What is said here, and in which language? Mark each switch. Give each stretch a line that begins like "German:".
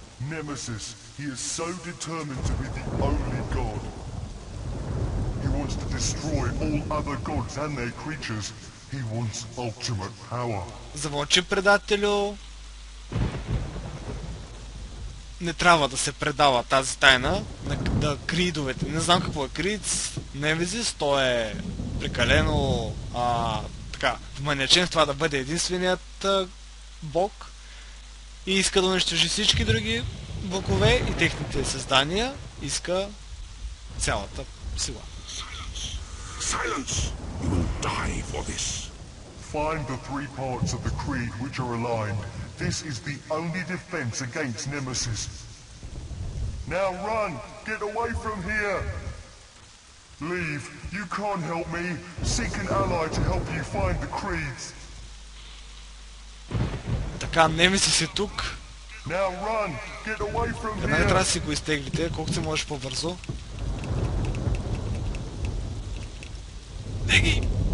English: Nemesis, he is so determined to be the only god. He wants to destroy all other gods and their creatures. He wants ultimate power.
Bulgarian: Замълчи, предателю. Не трябва да се предава тази тайна на кридовете. Не знам какво е крид. Nemesis, той е прекалено така манечен в това да бъде единственият бог и иска да унищожи всички други богове и техните създания, иска цялата сила.
English: Silence! You will die for this. Find the three parts of the creed which are aligned. This is the only defense against Nemesis. Now run! Get away from here! Leave! You can't help me! Seek an ally to help you find the creeds!
Bulgarian: Така, Nemesis е тук.
English: Now run! Get away from here!
Bulgarian: Веднага трябва да си го изтеглите, колкото се можеш по-бързо. Беги!